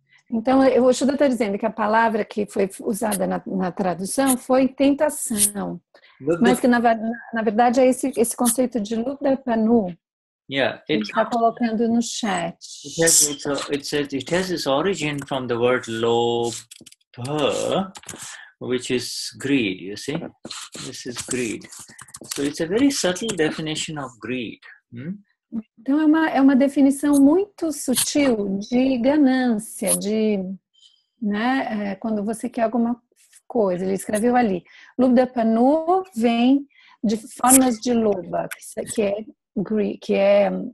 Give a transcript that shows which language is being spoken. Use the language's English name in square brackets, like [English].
[Portuguese] Então, o Shuddha está dizendo que a palavra que foi usada na tradução foi tentação, mas que na verdade é esse conceito de lubdhapanoo. [English] Yeah, it has its origin from the word lobha, which is greed, you see. This is greed. So it's a very subtle definition of greed. [Portuguese] Então é uma definição muito sutil de ganância, de, né, quando você quer alguma coisa. Ele escreveu ali, lubdhapanoo vem de formas de loba, que é greed, que é